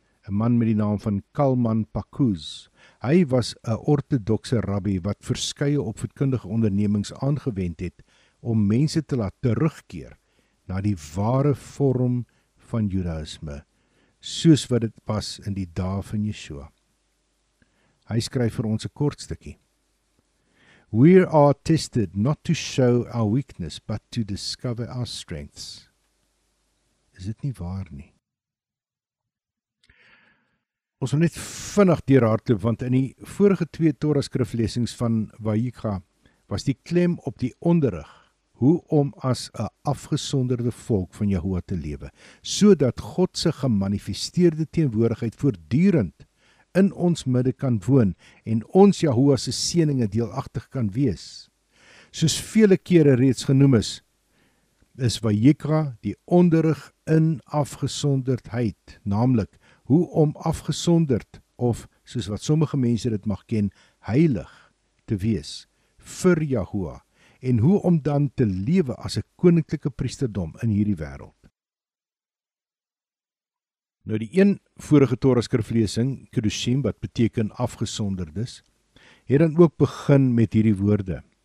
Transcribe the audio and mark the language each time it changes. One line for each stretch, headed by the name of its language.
Afrikaans: 'N man met die naam van Kalman Pakuz. Hy was 'n orthodoxe rabbi wat verskeie opvoedkundige ondernemings aangewend het om mense te laat terugkeer na die ware vorm van Judaïsme, soos wat dit pas in die dae van Yeshua. Hy skryf vir ons 'n kort stukkie.
English: We are tested not to show our weakness, but to discover our strengths.
Afrikaans: Is dit nie waar nie? Ons moet net vinnig deur hardloop, want in die vorige twee Torah skriflesings van Vayikra was die klem op die onderrig, hoe om as 'n afgesonderde volk van Jehovah te lewe, sodat God se gemanifesteerde teenwoordigheid voortdurend in ons midde kan woon en ons Jehovah se seëninge deelagtig kan wees. Soos vele kere reeds genoem is, is Vayikra die onderrig in afgesonderdheid, naamlik hoe om afgesonderd of, soos wat sommige mense dit mag ken, heilig te wees vir Jehovah en hoe om dan te lewe as 'n koninklike priesterdom in hierdie wêreld. Nou die een vorige Torah skriflesing, Kedushim, wat beteken afgesonderdes, het dan ook begin met hierdie woorde.